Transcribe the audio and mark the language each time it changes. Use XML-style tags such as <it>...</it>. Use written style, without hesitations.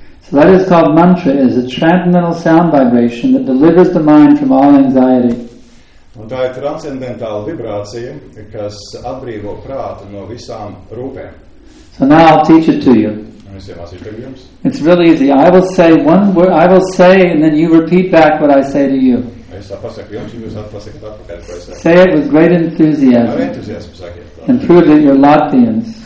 <en>That is called mantra, is a transcendental sound vibration that delivers the mind from all anxiety.</en> <lv>Un tā ir transcendentāla vibrācija, kas atbrīvo prātu no visām rūpēm.</lv> <en>So now I'll teach it to you.</en> <lv>Es iemācīšu tev jums.</lv> <en>It's really easy. I will say and then you repeat back what I say to you.</en> <lv>Es pasaku jums, jūs atpasakat atpakaļ, ko es saku.</lv> <en>Say it with great enthusiasm.</en> <lv>Ar entuziasmu sakiet.</lv> <en>And prove that you're Latvians.</en>